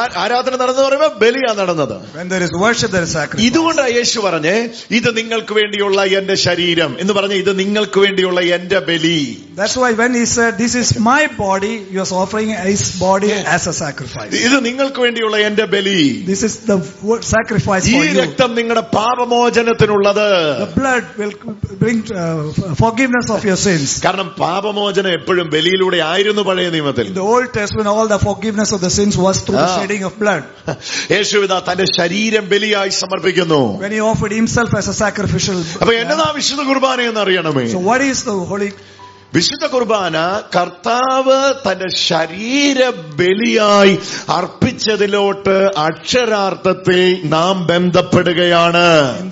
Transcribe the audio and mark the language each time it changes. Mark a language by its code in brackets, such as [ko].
[ml] ആരാധന നടന്നു പറയുമ്പോ ബലിയാ നടന്നത്. [en] When there is worship, there is sacrifice. [ml] ഇതുകൊണ്ടാ യേശു പറഞ്ഞേ, ഇത് നിങ്ങൾക്ക് വേണ്ടിയുള്ള എന്റെ ശരീരം എന്ന് പറഞ്ഞ, ഇത് നിങ്ങൾക്ക് വേണ്ടിയുള്ള എന്റെ ബലി. [en] That's why when he said this is my body, he was offering his body as a sacrifice. [ml] ഇത് നിങ്ങൾക്ക് വേണ്ടിയുള്ള എന്റെ ബലി. [en] This is the sacrifice for you. [ml] ഈ രക്തം നിങ്ങളുടെ പാപമോചനത്തിനുള്ളത്. [en] The blood will bring forgiveness of your sins. [ml] കാരണം പാപമോചനം എപ്പോഴും ബലിയിലൂടെ ആയിരുന്നു പഴയ നിയമത്തിൽ. [en] The old testament, all the forgiveness of the sins was through the shedding of blood. [ml] യേശുവിതാ തന്റെ ശരീരം ബലിയായി സമർപ്പിക്കുന്നു. [en] When he offered himself as a sacrificial. [ml] അപ്പൊ എന്നാ വിശുദ്ധ കുർബാന എന്ന് അറിയണമേ. [en] So what is the holy? [ml] വിശുദ്ധ കുർബാന കർത്താവ് തന്റെ ശരീര ബലിയായി അർപ്പിച്ചതിലോട്ട് അക്ഷരാർത്ഥത്തിൽ നാം ബന്ധപ്പെടുകയാണ്.